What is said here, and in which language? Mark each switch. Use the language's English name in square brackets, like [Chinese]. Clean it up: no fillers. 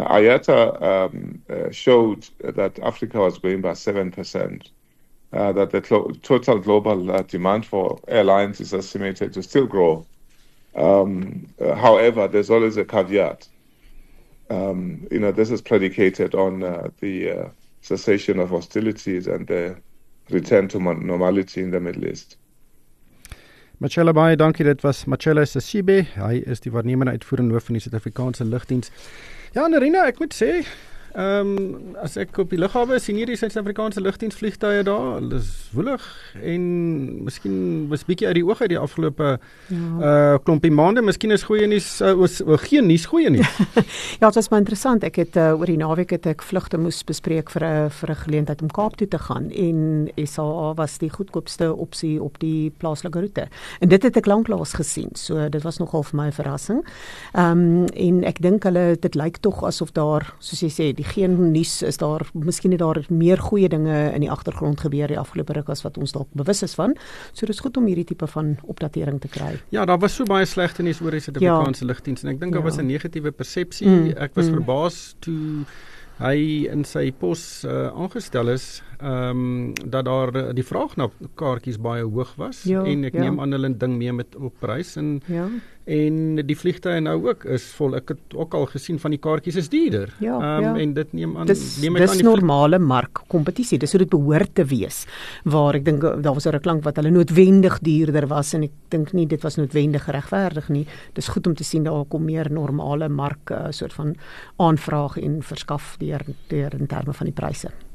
[English] IATA showed that Africa was growing by 7%, that the total global demand for airlines is estimated to still grow. However, there's always a caveat. This is predicated on the cessation of hostilities and the return to normality in the Middle East. [Afrikaans] Marcella, baie dankie. Dit was Marcella Sesibe. Hy is die waarnemende uitvoerende hoof van die Suid-Afrikaanse Lugdiens. Ja, Narina, ek moet sê, as ek op die lughawe sien hierdie Suid-Afrikaanse Lugdiens vliegtuie daar, dis woelig en miskien was bietjie uit die oog uit die afgelope klompie maande. Miskien is goeie nuus geen nuus goeie nuus. Ja, dit was maar interessant. Ek het oor die naweek het ek vlugte moes bespreek vir 'n geleentheid om Kaap toe te gaan en SAA was die goedkoopste opsie op die plaaslike roete. En dit het ek lanklaas gesien. So dit was nogal vir my 'n verrassing. En ek dink hulle dit lyk tog asof daar, soos jy sê, die geen nuus is daar, miskien het daar meer goeie dinge in die agtergrond gebeur die afgelope ruk as wat ons dalk bewus is van. So dis goed om hierdie tipe van opdatering te kry. Ja, daar was so baie slegte nuus oor die Ja. Suid-Afrikaanse lugdiens en ek dink daar was Ja. 'n negatiewe persepsie. Ek was verbaas toe hy in sy pos aangestel is, dat daar die vraag na kaartjies baie hoog was Ja, en ek ja. neem aan hulle ding mee met op prys en Ja. Die vliegtuie nou ook is vol. Ek het ook al gesien van die kaartjies is duurder. Ja, En dit neem aan, dis neem ek aan die normale markkompetisie. Dis hoe dit behoort te wees. Waar ek dink daar was 'n klank wat hulle noodwendig duurder was en ek dink nie dit was noodwendig regverdig nie. Dis goed om te sien daar kom meer normale mark soort van aanvraag en verskaf deur in terme van die pryse.